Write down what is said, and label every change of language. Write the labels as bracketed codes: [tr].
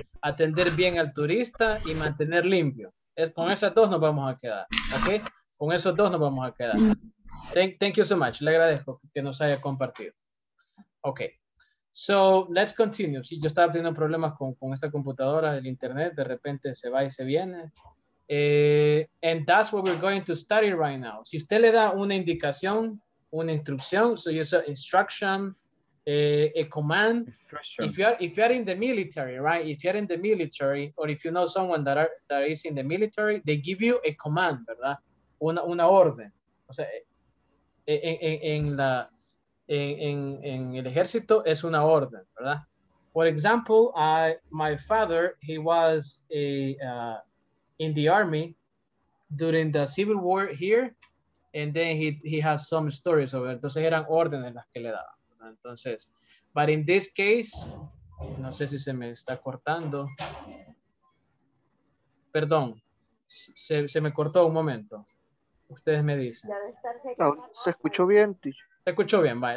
[es] Atender bien al turista y mantener limpio. Con esas dos nos vamos a quedar, ¿ok? Con esos dos nos vamos a quedar. [en] Thank you so much. [es] Le agradezco que nos haya compartido. Ok. [en] So, let's continue. [es] Sí, yo estaba teniendo problemas con esta computadora, el internet. De repente se va y se viene. [en] And that's what we're going to study right now. [es] Si usted le da una indicación, una instrucción, [en] so you say instruction, a command. Instruction. If you are in the military, right? If you're in the military, or if you know someone that is in the military, they give you a command, [es] ¿verdad? Una orden. O sea, en el ejército es una orden, ¿verdad? [en] For example, my father, he was in the army during the Civil War here, and then he has some stories over it. [es] Entonces eran órdenes las que le daban, ¿verdad? Entonces, [en] but in this case, [es] no sé si se me está cortando. Perdón, se me cortó un momento. Ustedes me dicen. Se escuchó bien, tío. Se escuchó bien, vaya.